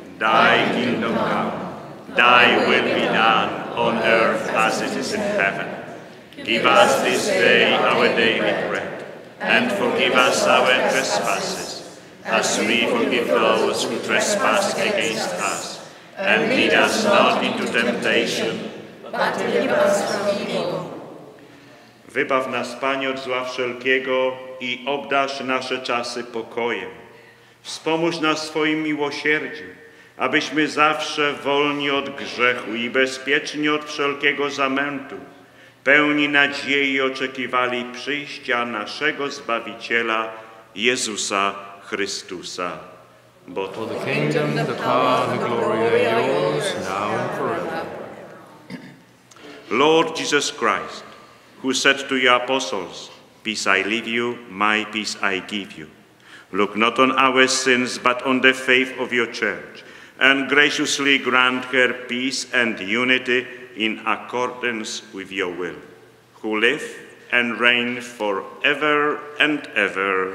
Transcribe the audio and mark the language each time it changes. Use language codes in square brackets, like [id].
[en] Thy kingdom come, thy will be done on earth as it is in heaven. Give us this day our daily bread, and forgive us our trespasses, as we forgive those who trespass against us. And lead us not into temptation, [pl] Wybaw nas, Panie, od zła wszelkiego i obdarz nasze czasy pokojem. Wspomóż nas swoim miłosierdziem, abyśmy zawsze wolni od grzechu i bezpieczni od wszelkiego zamętu, pełni nadziei oczekiwali przyjścia naszego Zbawiciela, Jezusa Chrystusa. [en] Bo to the kingdom, the power, the glory are yours, now and forever. Lord Jesus Christ, who said to your apostles, peace I leave you, my peace I give you, look not on our sins, but on the faith of your church, and graciously grant her peace and unity in accordance with your will, who live and reign forever and ever.